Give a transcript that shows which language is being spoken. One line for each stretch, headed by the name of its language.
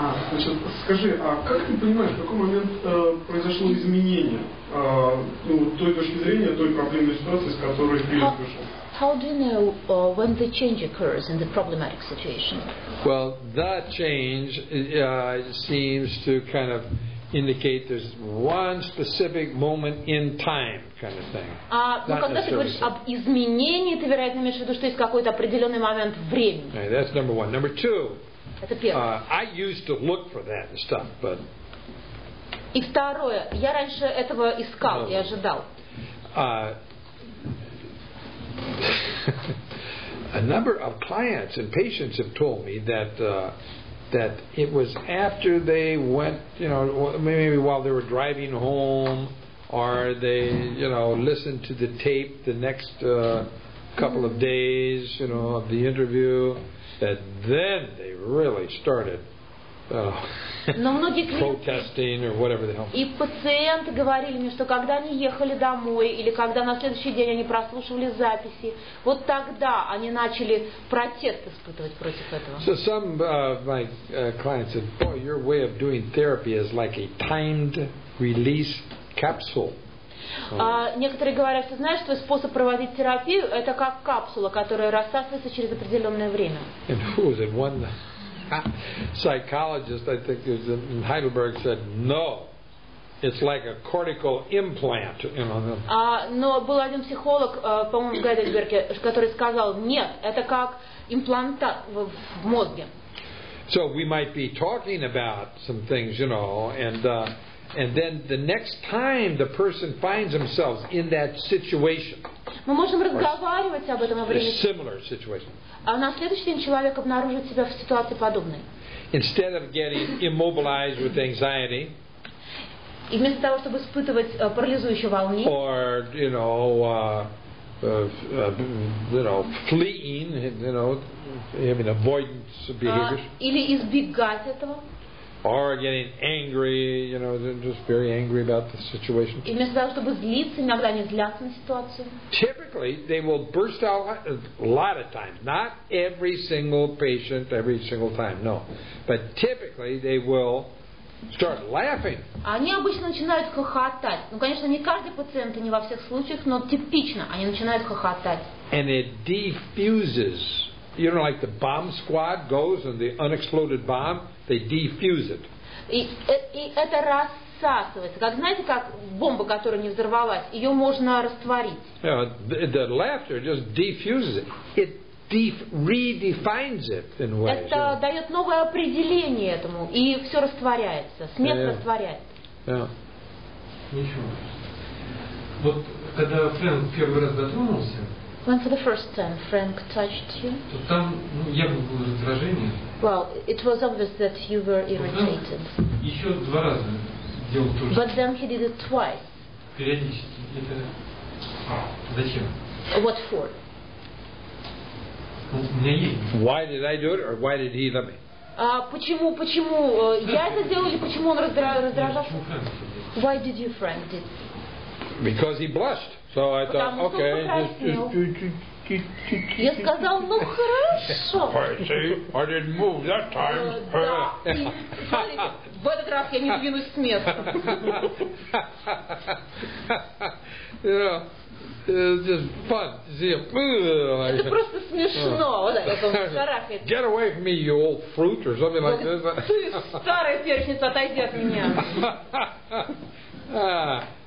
Russian: Значит, скажи, а как ты понимаешь, в какой момент произошло изменение той точки зрения, той проблемной ситуации, с которой ты вышел?
English: How do you know when the change occurs in the problematic situation? Well, that change seems to kind of indicate there's one specific moment in time kind of thing.
Russian: Ну, когда ты говоришь об изменении, ты, вероятно, имеешь в виду, что есть какой-то определенный момент времени.
English: Right, that's number one. Number two.
Russian: Это первое.
English: I used to look for that and stuff, but...
Russian: И второе. Я раньше этого искал и ожидал.
English: A number of clients and patients have told me that that it was after they went, you know, maybe while they were driving home, or they, you know, listened to the tape the next couple of days, you know, of the interview, that then they really started protesting or whatever the hell.
Russian: И пациенты говорили мне, что когда они ехали домой или когда на следующий день они прослушивали записи, вот тогда они начали протест испытывать против этого.
English: So some of my clients said, "Boy, your way of doing therapy is like a timed release capsule."
Russian: Некоторые говорят, что знаешь, твой способ проводить терапию это как капсула, которая рассасывается через определенное время.
English: And who is it? One psychologist, I think, is in Heidelberg, said no. It's like a cortical implant, you know.
Russian: Но был один психолог, по-моему, в Гайдельберге, который сказал нет, это как имплантат в мозге.
English: So we might be talking about some things, you know, and then the next time the person finds themselves in that situation.
Russian: Мы можем разговаривать об этом во время.
English: A similar situation.
Russian: А на следующий день человек обнаружит себя в ситуации подобной.
English: Instead of getting immobilized with anxiety,
Russian: и вместо того, чтобы испытывать парализующие волнения,
English: or, you know, fleeing, you know, having avoidance behaviors,
Russian: или избегать этого,
English: or getting angry, you know, just very angry about the situation.
Russian: И вместо того, чтобы злиться, иногда они злятся на ситуацию.
English: Typically, they will burst out a lot of times. Not every single patient, every single time, no. But typically, they will start laughing.
Russian: Они обычно начинают хохотать. Ну, конечно, не каждый пациент, и не во всех случаях, но типично они начинают хохотать.
English: And it diffuses. You know, like the bomb squad goes and the unexploded bomb, they defuse it.
Russian: И это рассасывается. Как знаете, как бомба, которая не взорвалась, ее можно растворить.
English: Yeah, the laughter just defuses it. It redefines it in ways.
Russian: Это дает новое определение этому, и все растворяется. Смех растворяет. Ничего. Вот когда Фрэнк первый раз дотронулся.
English: When for the first time Frank touched you?
Russian: Там, ну, я был в раздражении.
English: Well, it was obvious that you were irritated.
Russian: Еще два раза делал то же.
English: But then he did it twice.
Russian: Периодически. Это... Зачем?
English: What for?
Russian: У меня есть.
English: Why did I do it or why did he let me?
Russian: Почему я это делал или почему он раздражался?
English: Why did you, Frank, did? Because he blushed. So I thought, okay.
Russian: Я сказал, ну хорошо.
English: See, I didn't move that time.
Russian: Да. В этот раз я не двинусь с места.
English: It's just fun to see him.
Russian: Это просто смешно.
English: Get away from me, you old fruit, or something like this.
Russian: Ты, старая перечница, отойди от меня.